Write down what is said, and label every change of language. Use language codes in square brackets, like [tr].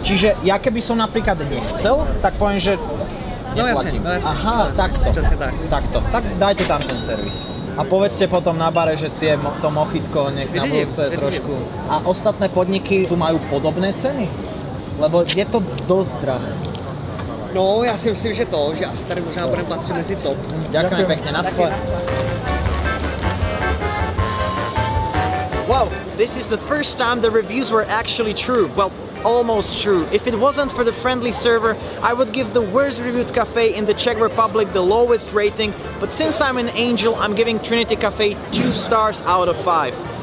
[sk] Čiže ja keby som napríklad nechcel, tak poviem, že no, neplatím. Jasne, no jasne. Aha, no, takto. Časne tak. Takto, tak dajte tam ten service. A povedzte potom na bare, že to mochitko nech na budúce trošku. A ostatné podniky tu majú podobné ceny? Lebo je to dosť drahé. [cs] No, já si myslím, že to, že asi tady možná budeme patřit mezi top. Děkujeme pěkně, naschle. [en] Wow, this is the first time the reviews were actually true. Well, almost true. If it wasn't for the friendly server, I would give the worst reviewed cafe in the Czech Republic the lowest rating. But since I'm an angel, I'm giving Trinity Cafe 2 stars out of 5.